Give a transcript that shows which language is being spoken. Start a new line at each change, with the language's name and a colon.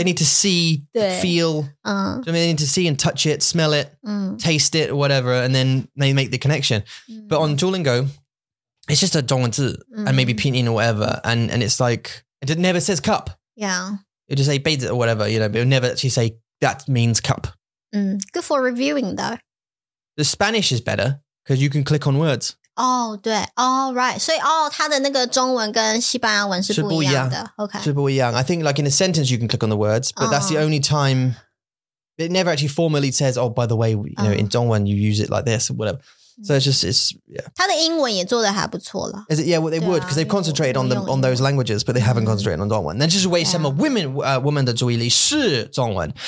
English: They need to see feel they need to see and touch it smell it taste it whatever and then they make the connection but on Duolingo it's just a 中文字 and maybe 拼音 or whatever and it's like it never says cup yeah it just say 杯子 or whatever you know, but it'll never actually say that means cup good for reviewing though The Spanish is better because you can click on words. Oh, 对 All right.
Chinese: 所以哦，它的那个中文跟西班牙文是不一样的。是不一样。
English: Okay. I think like in a sentence you can click on the words, but that's the only time it never actually formally says, oh, by the way, you know, in 中文 you use it like this or whatever. So it's just, it's, yeah.
Chinese: 它的英文也做得还不错啦。
English: Is it? Yeah, well, they would because they've concentrated on those languages, but they haven't concentrated on 中文. That's just where some women
Chinese: 的注意力是中文.